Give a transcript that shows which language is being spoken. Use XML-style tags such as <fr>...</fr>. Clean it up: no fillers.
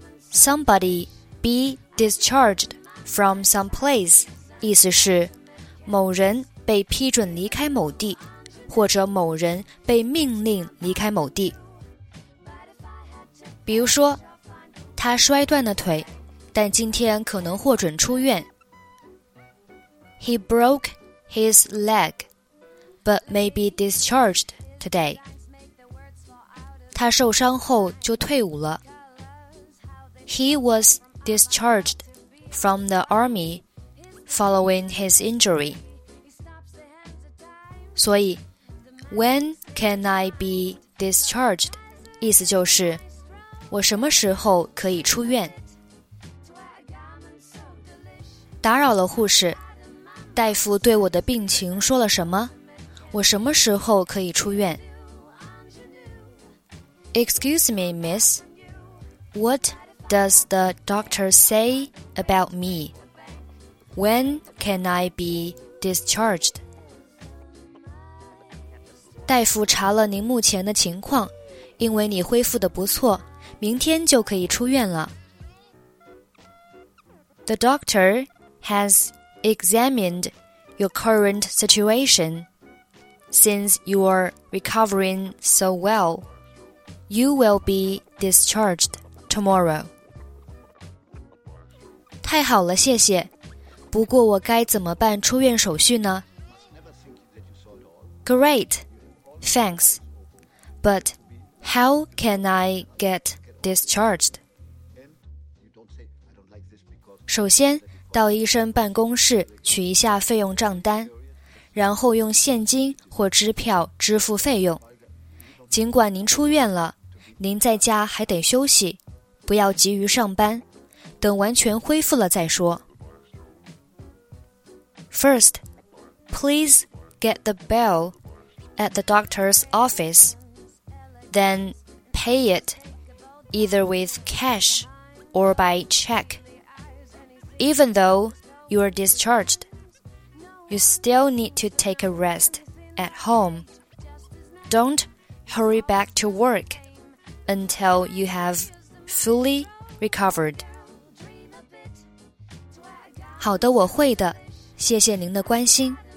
<en>Somebody be discharged from some place</en> <zh>意思是某人被批准离开某地，或者某人被命令离开某地。比如说，他摔断了腿，但今天可能获准出院。</zh> <en>He broke his leg, but may be discharged today.</en> <zh>他受伤后就退伍了。</zh> <en>He was discharged from the army following his injury. 所以 When can I be discharged?</en> <zh>意思就是我什么时候可以出院。打扰了护士，大夫对我的病情说了什么？我什么时候可以出院？</zh> <en>Excuse me, miss. What does the doctor say about me? When can I be discharged?</en> <zh>大夫查了您目前的情况，因为你恢复得不错，明天就可以出院了。</zh> <en>The doctor has examined your current situation. Since you are recovering so well,You will be discharged tomorrow.</en> <zh>太好了，谢谢。不过我该怎么办出院手续呢？</zh> <en>Great, thanks. But how can I get discharged?</en> <zh>首先，到医生办公室取一下费用账单，然后用现金或支票支付费用。尽管您出院了，您在家还得休息，不要急于上班，等完全恢复了再说。</zh> <en>First, please get the bill at the doctor's office, then pay it either with cash or by check. Even though you are discharged, you still need to take a rest at home. Don't hurry back to work. Until you have fully recovered.</en> <zh>好的，我会的，谢谢您的关心。</zh>